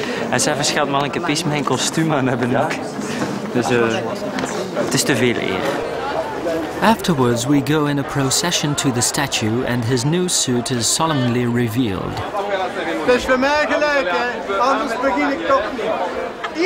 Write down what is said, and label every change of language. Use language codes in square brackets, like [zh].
[nl] En zelfs gaat Manneke Pies mijn kostuum aan hebben ook. Dus het is te veel eer. [en] Afterwards we go in a procession to the statue and his new suit is solemnly revealed. [nl] Het is voor mij gelijk, hè? Anders begin ik toch niet.